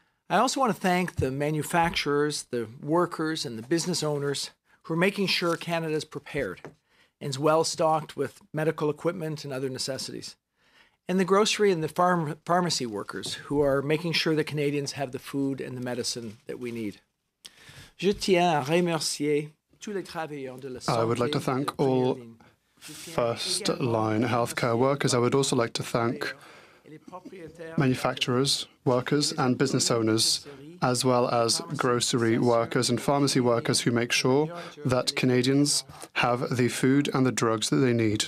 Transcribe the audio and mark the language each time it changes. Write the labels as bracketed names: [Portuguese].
[English] I also want to thank the manufacturers, the workers, and the business owners who are making sure Canada is prepared and is well-stocked with medical equipment and other necessities, and the grocery and the pharmacy workers who are making sure that Canadians have the food and the medicine that we need. [French] Je tiens à remercier tous les travailleurs de la santé. [English] I would like to thank all first-line healthcare workers. I would also like to thank manufacturers, workers, and business owners, as well as grocery workers and pharmacy workers who make sure that Canadians have the food and the drugs that they need.